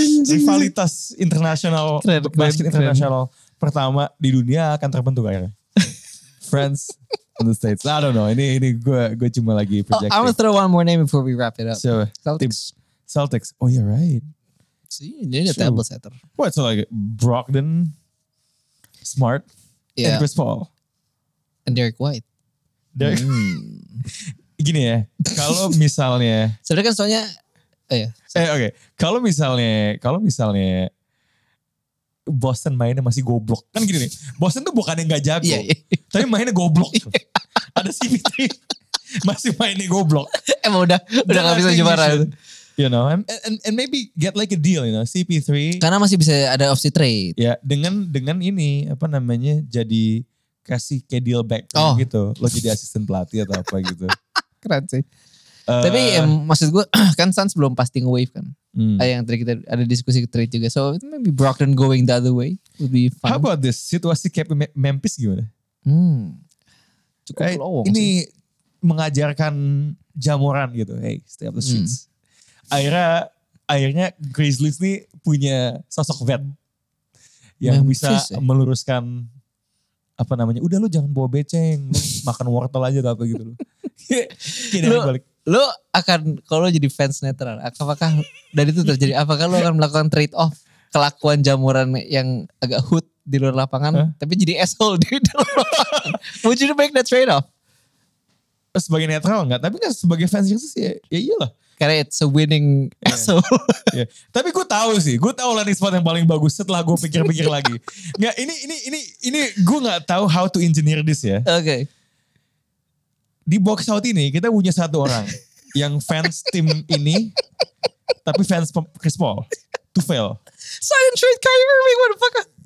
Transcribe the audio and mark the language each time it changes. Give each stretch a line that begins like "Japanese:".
Indonesian: Rivalitas internasional, basket internasional pertama di dunia akan terbentuk akhirnya.
English: France and the States. I don't know.
Indonesian: Ini gue cuma lagi projecting.
English: I'm gonna throw one more name before we wrap it up. So, Celtics. Oh yeah, right. See, you need a table setter. What? So like Brogdon, Smart, and Chris Paul, and Derek White.
Indonesian: Gini ya. Kalau misalnya. Sebenarnya kan soalnya. Okay. Kalau misalnya Boston mainnya masih goblok. Kan gini nih, Boston tuh bukan yang gak jago. Tapi mainnya goblok. Ada CP3 masih mainnya goblok. Emang udah gak bisa juara itu.
English: You know, and maybe get like a deal, you know, CP3.
Indonesian: Karena masih bisa ada off the trade. Ya, dengan ini apa namanya jadi kasih kayak deal back oh. gitu, lo jadi asisten pelatih atau apa gitu. Keren sih. Tapi ya, maksud gue kan Suns belum pasting wave kan. Yang tadi kita ada diskusi trade juga.
English: So maybe Brogdon going the other way would be fun. How about this?
Indonesian: Situasi Cap Memphis gimana? Cukup low. Ini mengajarkan Jamoran gitu.
English: Hey, stay up the streets.
Indonesian: Akhirnya Grizzlies nih punya sosok vet. Yang Memphis, bisa meluruskan. Apa namanya. Udah lu jangan bawa beceng. Makan wortel aja atau apa gitu. Kini lu balik. Lo akan, kalau lo jadi fans netral, apakah dari itu terjadi, apakah lo akan melakukan trade off kelakuan Jamoran yang agak hood di luar lapangan, tapi jadi asshole di dalam lapangan?
English: Would you make that trade off?
Indonesian: Sebagai netral enggak, tapi enggak sebagai fans yang sih, ya iyalah. Karena
English: it's a winning asshole.
Indonesian: Yeah. Tapi gue tahu sih, gue tahu landing spot yang paling bagus setelah gue pikir-pikir lagi. Enggak, ini gue enggak tahu
English: how to engineer this
Indonesian: ya.
English: Oke. Okay.
Indonesian: Di box out ini kita punya satu orang yang fans tim ini tapi fans Chris Paul to fail.
English: Sign trade Kyrie Irving, what the fuck?